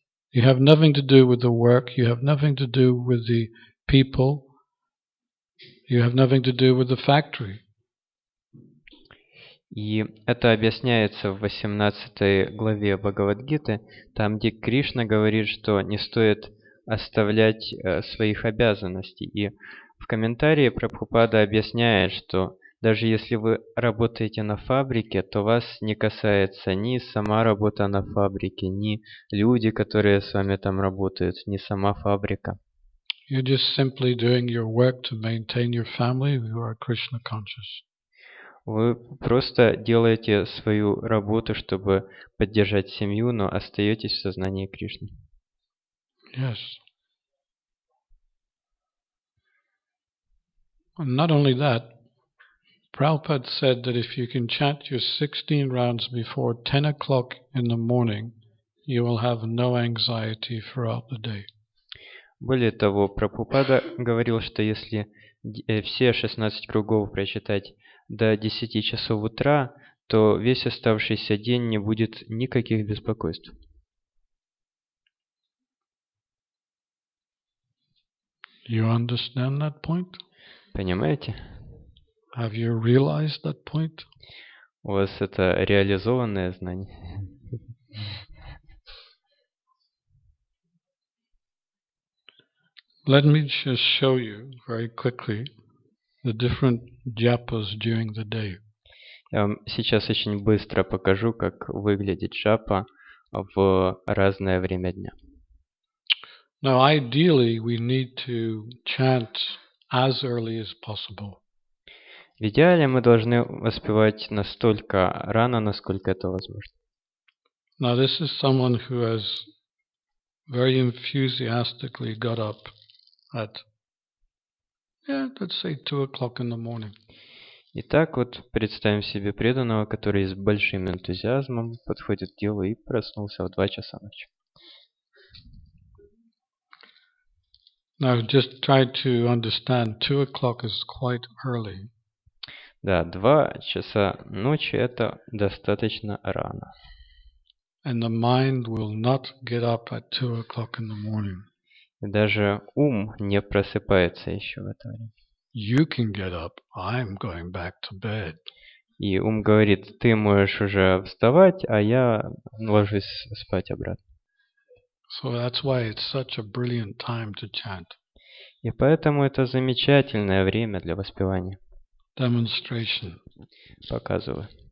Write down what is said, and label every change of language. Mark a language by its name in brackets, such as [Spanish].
[English] You have nothing to do with the work. You have nothing to do with the people. You have nothing to do with the factory. [Russian] И это объясняется в 18 главе Бхагавад-гиты, там, где Кришна говорит, что не стоит оставлять своих обязанностей. И в комментарии Прабхупада объясняет, что даже если вы работаете на фабрике, то вас не касается ни сама работа на фабрике, ни люди, которые с вами там работают, ни сама фабрика. [English] You're just simply doing your work to maintain your family. You are Krishna conscious. [Russian] Вы просто делаете свою работу, чтобы поддержать семью, но остаетесь в сознании Кришны. [English] Yes. And not only that, Prabhupada said that if you can chant your 16 rounds before 10 o'clock in the morning, you will have no anxiety throughout the day. [Russian] Более того, Прабхупада говорил, что если все 16 кругов прочитать до 10 часов утра, то весь оставшийся день не будет никаких беспокойств. [English] You understand that point? [Russian] Понимаете? [English] Have you realized that point? [Russian] У вас это реализованное знание. [English] Let me just show you very quickly the different japas during the day. [Russian] Я вам сейчас очень быстро покажу, как выглядит джапа в разное время дня. [English] Now, ideally, we need to chant as early as possible. [Russian] В идеале мы должны воспевать настолько рано, насколько это возможно. [English] Now, this is someone who has very enthusiastically got up at, let's say, 2 o'clock in the morning. [Russian] Итак, вот представим себе преданного, который с большим энтузиазмом подходит к делу и проснулся в 2 часа ночи. [English] Now, just try to understand, 2 o'clock is quite early. [Russian] Да, 2 часа ночи – это достаточно рано. [English] And the mind will not get up at 2 o'clock in the morning. [Russian] Даже ум не просыпается еще в это время. [English] You can get up. I'm going back to bed. [Russian] И ум говорит, ты можешь уже вставать, а я ложусь спать обратно. [English] So that's why it's such a brilliant time to chant. [Russian] И поэтому это замечательное время для воспевания. [English] Demonstration. [Russian] Показываю.